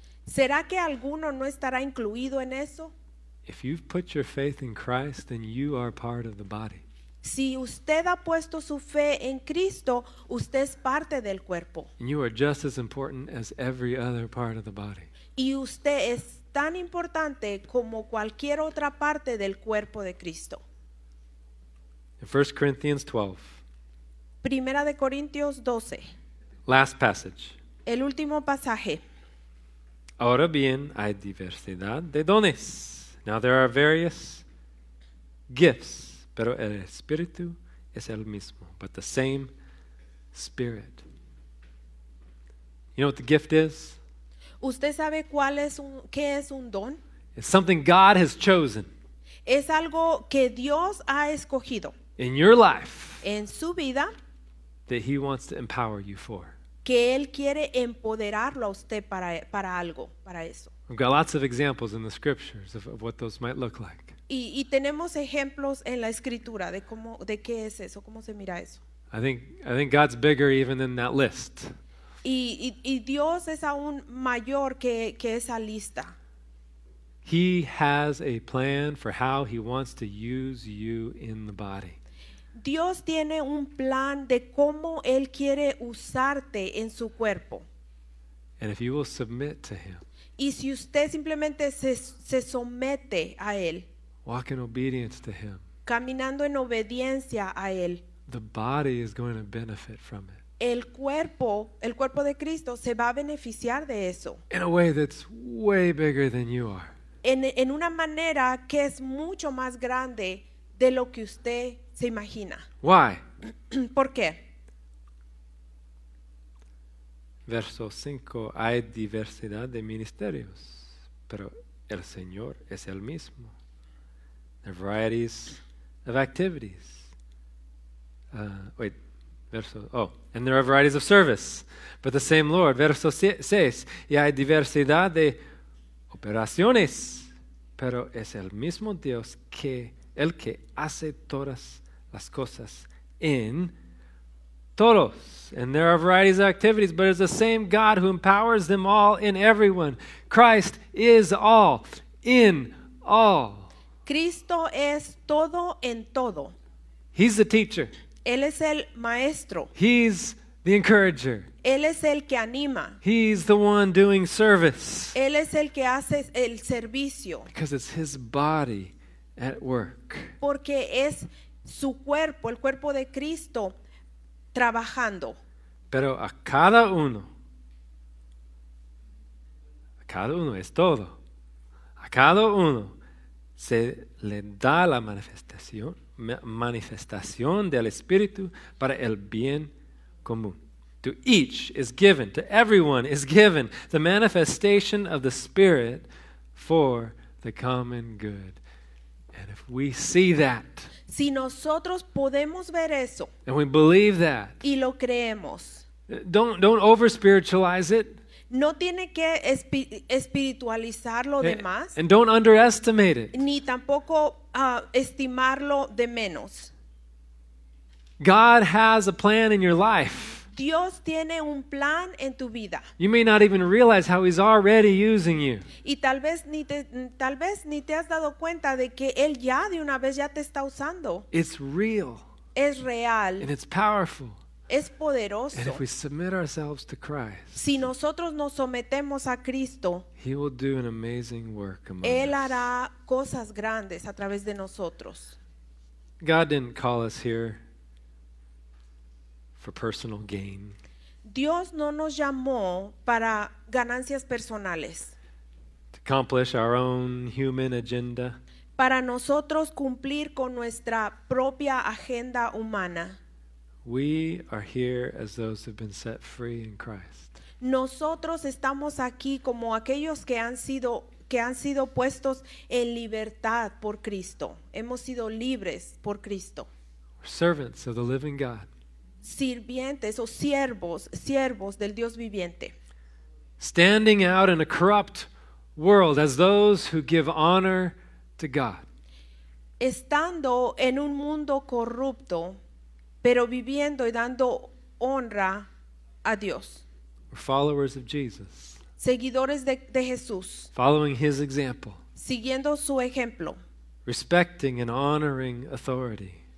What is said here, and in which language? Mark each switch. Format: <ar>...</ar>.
<es>¿Será que alguno no estará incluido en eso?</es> <en>If you've put your faith in Christ, then you are part of the body.</en> <es>Si usted ha puesto su fe en Cristo, usted es parte del cuerpo.</es> <en>And you are just as important as every other part of the body.</en> <es>Y usted es tan importante como cualquier otra parte del cuerpo de Cristo.</es> <en>In 1 Corinthians 12.</en> <es>Primera de Corintios 12.</es> <en>Last passage.</en> <es>El último pasaje. Ahora bien, hay diversidad de dones.</es> <en>Now there are various gifts,</en> <es>pero el Espíritu es el mismo.</es> <en>But the same Spirit. You know what the gift is?</en> <es>¿Usted sabe cuál es un, qué es un don?</es> <en>It's something God has chosen.</en> <es>Es algo que Dios ha escogido.</es> <en>In your life.</en> <es>En su vida.</es> <en>That He wants to empower you for.</en> <es>Que Él quiere empoderarlo a usted para algo, para eso.</es> <en>We've got lots of examples in the scriptures of what those might look like.</en> <es>Y tenemos ejemplos en la escritura de cómo, de qué es eso, cómo se mira eso.</es> <en>I think God's bigger even than that list.</en> <es>Y Dios es aún mayor que esa lista.</es> <en>He has a plan for how He wants to use you in the body.</en> <es>Dios tiene un plan de cómo Él quiere usarte en su cuerpo.</es> <en>And if you will submit to Him,</en> <es>y si usted simplemente se somete a Él,</es> <en>walk in obedience to Him,</en> <es>caminando en obediencia a Él,</es> <en>the body is going to benefit from it.</en> <es>El cuerpo de Cristo se va a beneficiar de eso.</es> <en>In a way that's way bigger than you are.</en> <es>En una manera que es mucho más grande de lo que usted se imagina.</es> <en>Why?</en> <es>¿Por qué? Verso 5. Hay diversidad de ministerios, pero el Señor es el mismo.</es> <en>There are varieties of activities. And there are varieties of service, but the same Lord.</en> <es>Verso 6. Y hay diversidad de operaciones, pero es el mismo Dios que el que hace todas las cosas en todos.</es> <en>And there are varieties of activities, but it's the same God who empowers them all in everyone. Christ is all in all.</en> <es>Cristo es todo en todo.</es> <en>He's the teacher.</en> <es>Él es el maestro.</es> <en>He's the encourager.</en> <es>Él es el que anima.</es> <en>He's the one doing service.</en> <es>Él es el que hace el servicio.</es> <en>Because it's His body at work.</en> <es>Porque es su cuerpo, el cuerpo de Cristo, trabajando. Pero a cada uno es todo. A cada uno se le da la manifestación del Espíritu para el bien común.</es> <en>To each is given, to everyone is given the manifestation of the Spirit for the common good. And if we see that,</en> <es>si nosotros podemos ver eso,</es> <en>and we believe that,</en> <es>y lo creemos,</es> <en>don't over-spiritualize it.</en> <es>No tiene que espiritualizarlo de más.</es> <en>And don't underestimate it.</en> <es>Ni tampoco estimarlo de menos.</es> <en>God has a plan in your life.</en> <es>Dios tiene un plan en tu vida.</es> <en>You may not even realize how He's already using you.</en> <es>Y tal vez ni te has dado cuenta de que Él ya de una vez ya te está usando.</es> <en>It's real.</en> <es>Es real.</es> <en>And it's powerful.</en> <es>Es poderoso.</es> <en>And if we submit ourselves to Christ,</en> <es>si nosotros nos sometemos a Cristo,</es> <en>He will do an amazing work among</en> <es>Él hará</es> <en>us.</en> <es>Cosas grandes a través de nosotros.</es> <en>God didn't call us here for personal gain.</en> <es>Dios no nos llamó para ganancias personales.</es> <en>To accomplish our own human agenda.</en> <es>Para nosotros cumplir con nuestra propia agenda humana.</es> <en>We are here as those who've been set free in Christ.</en> <es>Nosotros estamos aquí como aquellos que han sido puestos en libertad por Cristo. Hemos sido libres por Cristo.</es> <en>We're servants of the living God.</en> <es>Sirvientes o siervos del Dios viviente.</es> <en>Standing out in a corrupt world as those who give honor to God.</en> <es>Estando en un mundo corrupto, pero viviendo y dando honra a Dios.</es> <en>We're followers of Jesus.</en> <es>seguidores de Jesús.</es> <en>Following his example.</en> <es>Siguiendo su ejemplo.</es> <en>Respecting and honoring authority.</en>